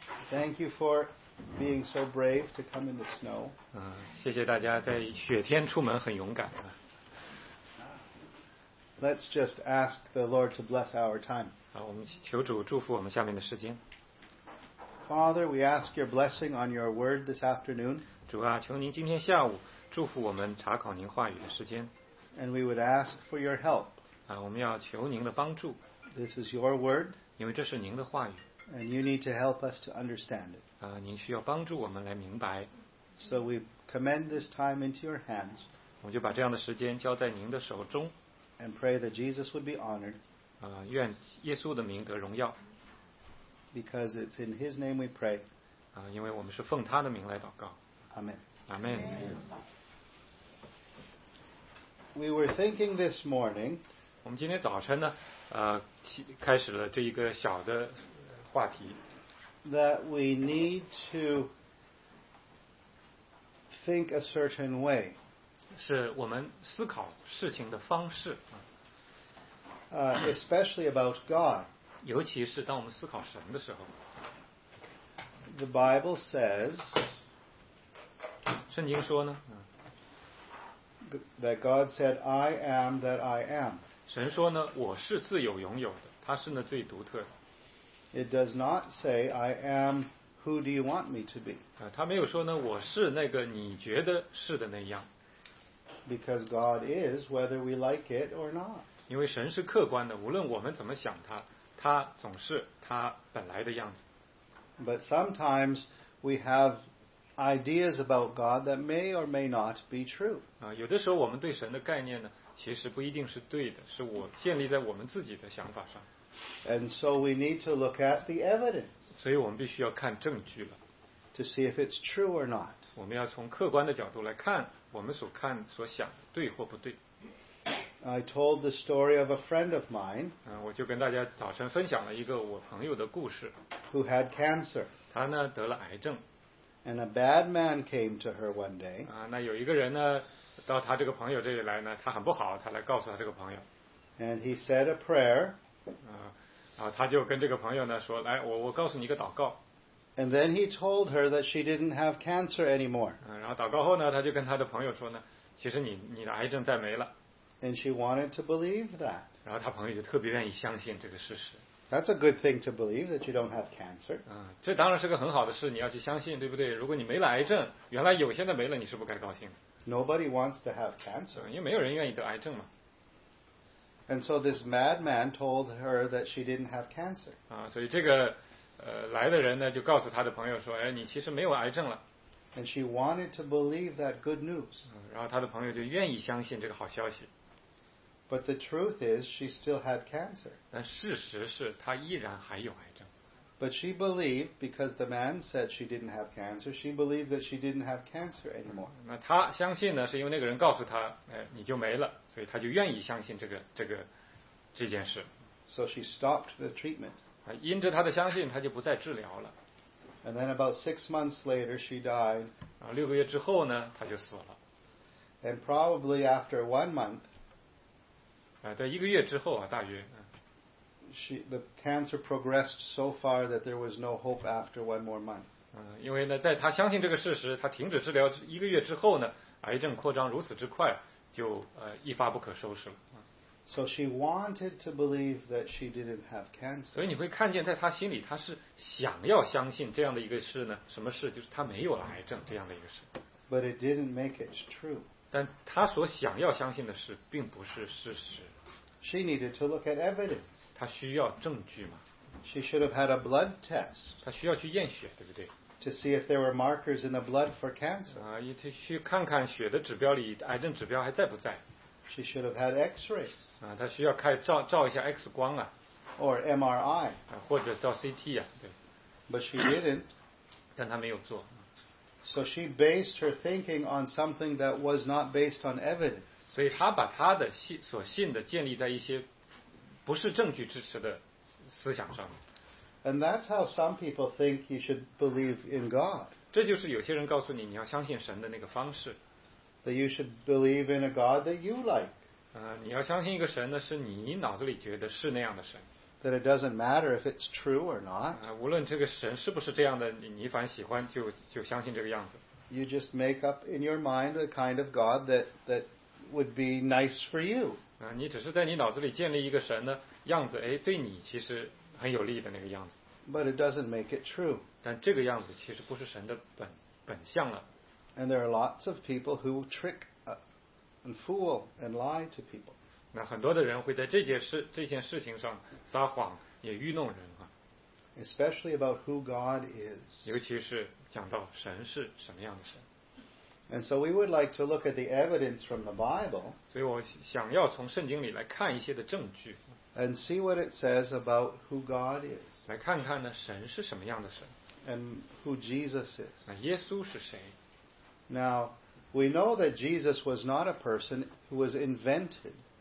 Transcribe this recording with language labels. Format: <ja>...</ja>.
<en>Thank you for being so brave to come in the snow.</en> <zh>谢谢大家在雪天出门很勇敢。</zh> <en>Let's just ask the Lord to bless our time.</en> <zh>我们求主祝福我们下面的时间。</zh> <en>Father, we ask your blessing on your word this afternoon.</en> <zh>主啊，求您今天下午祝福我们查考您话语的时间。</zh> <en>And we would ask for your help.</en> <zh>我们要求您的帮助。</zh> <en>This is your word.</en> <zh>因为这是您的话语。</zh> <en>And you need to help us to understand it.</en> <zh>您需要帮助我们来明白。</zh> <en>So we commend this time into your hands.</en> <zh>我们就把这样的时间交在您的手中。</zh> <en>And pray that Jesus would be honored.</en> <zh>愿耶稣的名得荣耀。</zh> <en>Because it's in His name we pray.</en> <zh>因为我们是奉他的名来祷告。</zh> <en>Amen. Amen. We were thinking this morning.</en> <zh>我们今天早晨呢，开始了这一个小的话题。</zh> <en>That we need to think a certain way.</en> <zh>是我们思考事情的方式。</zh> <en>Especially about God.</en> <zh>尤其是当我们思考神的时候</zh> <en>The Bible says</en> <zh>圣经说呢</zh> <en>That God said I am that I am</en> <zh>神说呢我是自有拥有的他是那最独特的</zh> <en>It does not say I am who do you want me to be</en> <zh>他没有说呢我是那个你觉得是的那样</zh> <en>Because God is whether we like it or not</en> <zh>因为神是客观的无论我们怎么想他他总是他本来的样子。</zh> <en>But sometimes we have ideas about God that may or may not be true.</en> <zh>有的时候我们对神的概念呢，其实不一定是对的，是我建立在我们自己的想法上。</zh> <en>And so we need to look at the evidence.</en> <zh>所以我们必须要看证据了。</zh> <en>To see if it's true or not.</en> <zh>我们要从客观的角度来看，我们所看所想对或不对。</zh> <en>I told the story of a friend of mine.</en> <zh>我就跟大家早晨分享了一个我朋友的故事。</zh> <en>Who had cancer?</en> <zh>他呢得了癌症。</zh> <en>And a bad man came to her one day.</en> <zh>那有一个人呢到他这个朋友这里来呢，他很不好，他来告诉他这个朋友。</zh> <en>And he said a prayer.</en> <zh>然后他就跟这个朋友呢说，来，我告诉你一个祷告。</zh> <en>And then he told her that she didn't have cancer anymore.</en> <zh>然后祷告后呢，他就跟他的朋友说呢，其实你的癌症再没了。</zh> <en>And she wanted to believe that.</en> <zh>然后她朋友就特别愿意相信这个事实。</zh> <en>That's a good thing to believe that you don't have cancer.</en> <zh>这当然是个很好的事，你要去相信，对不对？如果你没了癌症，原来有，现在没了，你是不该高兴的。</zh> <en>Nobody wants to have cancer.</en> <zh>因为没有人愿意得癌症嘛。</zh> <en>And so this madman told her that she didn't have cancer.</en> <zh>所以这个来的人呢，就告诉他的朋友说，哎，你其实没有癌症了。</zh> <en>And she wanted to believe that good news.</en> <zh>然后他的朋友就愿意相信这个好消息。</zh> <en>But the truth is, she still had cancer.</en> <zh>但事实是她依然还有癌症。</zh> <en>But she believed, because the man said she didn't have cancer, she believed that she didn't have cancer anymore.</en> <zh>那她相信呢，是因为那个人告诉她，你就没了，所以她就愿意相信这件事。</zh> <en>So she stopped the treatment.</en> <zh>因着她的相信，她就不再治疗了。</zh> <en>And then about 6 months later, she died.</en> <zh>然后六个月之后呢，她就死了。</zh> <en>And probably after 1 month,</en> <zh>在一个月之后啊，大约。</zh> <en>The cancer progressed so far that there was no hope after one more month.</en> <zh>因为呢，在他相信这个事实，他停止治疗一个月之后呢，癌症扩张如此之快，就一发不可收拾了。</zh> <en>So she wanted to believe that she didn't have cancer.</en> <zh>所以你会看见，在他心里，他是想要相信这样的一个事呢，什么事？就是他没有了癌症这样的一个事。</zh> <en>But it didn't make it true.</en> <zh>但他所想要相信的事并不是事实。</zh> <en>She needed to look at evidence.</en> <zh>他需要证据吗</zh> <en>？She should have had a blood test.</en> <zh>他需要去验血，对不对</zh> <en>？To see if there were markers in the blood for cancer.</en> <zh>他去看看血的指标里癌症指标还在不在</zh> <en>？She should have had X-rays.</en> <zh>他需要开照一下 X 光啊。</zh> <en>Or MRI.</en> <zh>或者照 CT 啊，对。</zh> <en>But she didn't.</en> <zh>但他没有做。</zh> <en>So she based her thinking on something that was not based on evidence.</en> <zh>所以她把她的所信的建立在一些不是证据支持的思想上。</zh> <en>And that's how some people think you should believe in God.</en> <zh>这就是有些人告诉你你要相信神的那个方式。</zh> <en>That you should believe in a God that you like.</en> <zh>你要相信一个神呢，是你脑子里觉得是那样的神。</zh> <en>that it doesn't matter if it's true or not.</en> <zh>无论这个神是不是这样的，你凡喜欢就相信这个样子。</zh> <en>You just make up in your mind the kind of God that would be nice for you.</en> <zh>你只是在你脑子里建立一个神的样子，哎，对你其实很有利的那个样子。</zh> <en>But it doesn't make it true.</en> <zh>但这个样子其实不是神的本相了。</zh> <en>And there are lots of people who trick and fool and lie to people.</en> <zh>那很多的人会在这件事情上撒谎，也愚弄人啊。</zh> <en>Especially about who God is.</en> <zh>尤其是讲到神是什么样的神。</zh> <en>And so we would like to look at the evidence from the Bible.</en> <zh>所以我想要从圣经里来看一些的证据。</zh> <en>And see what it says about who God is.</en> <zh>来看看呢，神是什么样的神。</zh> <en>And who Jesus is.</en> <zh>那耶稣是谁？</zh> <en>Now, we know that Jesus was not a person who was invented.</en>